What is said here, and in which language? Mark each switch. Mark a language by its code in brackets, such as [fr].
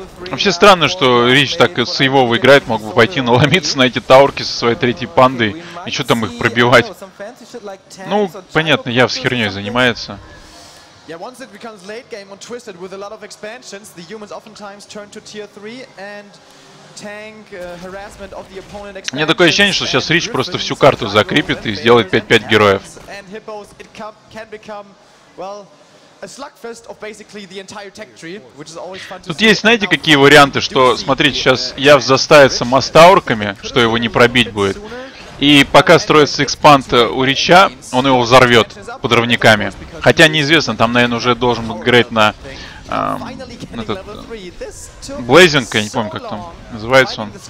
[ru] Вообще странно, что Рич так сейвово играет, мог бы пойти наломиться на эти таурки со своей третьей пандой и что там их пробивать. Ну, понятно, я с херней занимается. [en] Yeah, once it becomes late game on Twisted with a lot of expansions, the humans oftentimes turn to tier 3 and tank harassment of the opponent expansion. [ru] У меня такое ощущение, что сейчас Рич просто всю карту закрепит и сделает 5-5 героев. [en] And hippos, it can become, well, a slugfest of basically the entire tech tree, which is always fun to. [ru] Тут есть, знаете, какие варианты, что, смотрите, сейчас Явс заставится мастаурками, что его не пробить будет. И пока строится экспанд у Рича, он его взорвет подрывниками. Хотя неизвестно, там, наверное, уже должен грейд на этот Блейзинг, я не помню, как там называется он.